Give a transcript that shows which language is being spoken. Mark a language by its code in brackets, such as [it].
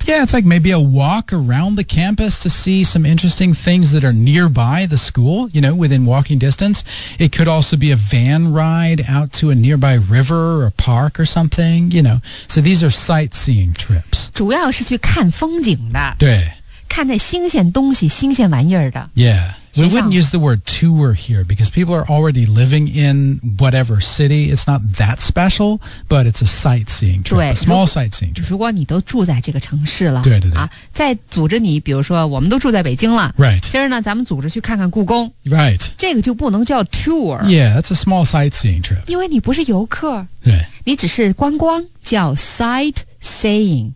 [en] Yeah, it's like maybe a walk around the campus to see some interesting things that are nearby the school, you know, within walking distance. It could also be a van ride out to a nearby river or park or something, you know. So these are sightseeing trips. [zh] 主要是去看风景的。对，看那新鲜东西，新鲜玩意儿的。 [en] Yeah, we wouldn't use the word tour here because people are already living in whatever city. It's not that special, but it's a sightseeing trip, a small sightseeing trip. [zh] 如果你都住在这个城市了，对对对，啊，再组织你，比如说我们都住在北京了 [en] ，right？ [zh] 今儿呢，咱们组织去看看故宫 [en] ，right？ [zh] 这个就不能叫 tour. [en] Yeah, that's a small sightseeing trip. [zh] 因为你不是游客，对，你只是观光，叫 sight。Seeing,、